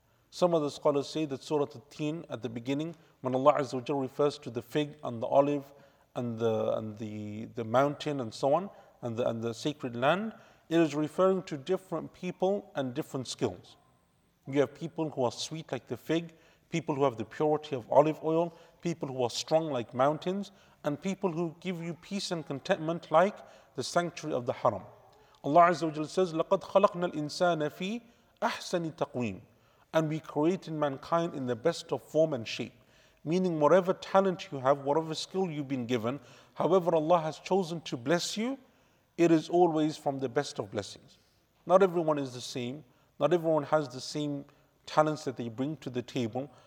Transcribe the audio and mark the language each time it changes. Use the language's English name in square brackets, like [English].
[English] Some of the scholars say that Surah At-Teen, at the beginning, when Allah Azza wa Jal refers to the fig and the olive and the mountain and so on, and the sacred land, it is referring to different people and different skills. You have people who are sweet like the fig, people who have the purity of olive oil, people who are strong like mountains, and people who give you peace and contentment like the sanctuary of the haram. Allah Azza wa Jal says, [Arabic] لَقَدْ خَلَقْنَا الْإِنسَانَ فِي أَحْسَنِ تَقْوِيمٍ. [English] And we created mankind in the best of form and shape. Meaning whatever talent you have, whatever skill you've been given, however Allah has chosen to bless you, it is always from the best of blessings. Not everyone is the same. Not everyone has the same talents that they bring to the table.